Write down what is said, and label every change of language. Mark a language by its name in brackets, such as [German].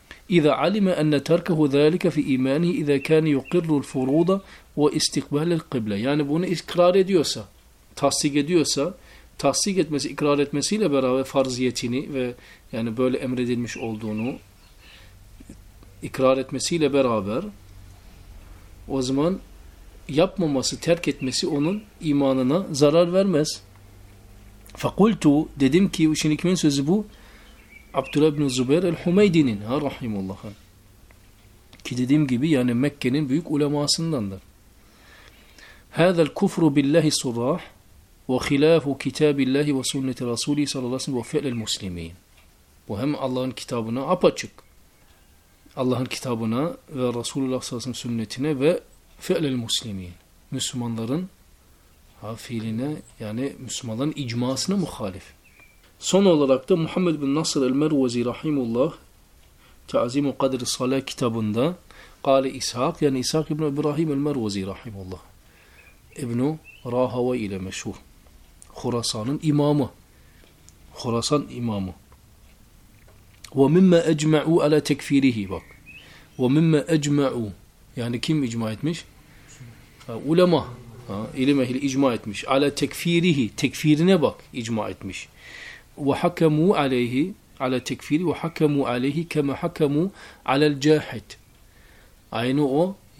[Arabic] اِذَا عَلِمَ أَنَّ تَرْكَهُ ذَٰلِكَ فِي اِمَانِهِ اِذَا كَانِ يُقِرُّ الْفُرُوضَ وَاِسْتِقْبَالِ الْقِبْلَةِ [Turkish] Yani bunu ikrar ediyorsa, tasdik ediyorsa, tasdik etmesi, ikrar etmesiyle beraber farziyetini ve yani böyle emredilmiş olduğunu ikrar etmesiyle beraber, o zaman yapmaması, terk etmesi onun imanına zarar vermez. [Arabic] فَقُلْتُ [Turkish] Dedim ki, şimdi kimin sözü bu? Abdullah ibn Zubeyr el-Humeydi'nin rahimullah'ın. Ki dediğim gibi yani Mekke'nin büyük ulemasındandır. [Arabic] هذا الكفر بالله صراح وخلاف كتاب الله وسنة رسوله صلى الله عليه وسلم وفعل المسلمين. [Turkish] Bu hem Allah'ın kitabına apaçık. Allah'ın kitabına ve Resulullah sallallahu aleyhi ve sellem sünnetine ve [Arabic] fi'lil muslimin. [Turkish] Müslümanların fiiline, yani Müslümanların icmasına muhalif. Son olarak da Muhammed bin Nasr el-Mervezi rahimullah Ta'zimu Kadri Salah kitabında Kale İshak, yani İshak ibn İbrahim el-Mervezi rahimullah İbn-i Rahava ile meşhur. Khurasan'ın imamı. Khurasan imamı. [Arabic] وَمِمَّا اَجْمَعُوا عَلَى تَكْفِيرِهِ [Turkish] Bak. [Arabic] وَمِمَّا اَجْمَعُوا [Turkish] Yani kim icma etmiş? Ulema. İlim ehli icma etmiş. [Arabic] عَلَى تَكْفِيرِهِ [Turkish] Tekfirine bak. İcma etmiş. [Arabic] وَحَكَمُوا عَلَيْهِ عَلَى تَكْفِيرِ وَحَكَمُوا عَلَيْهِ كَمَا حَكَمُوا عَلَى الْجَاحِدِ [Turkish] Aynı o.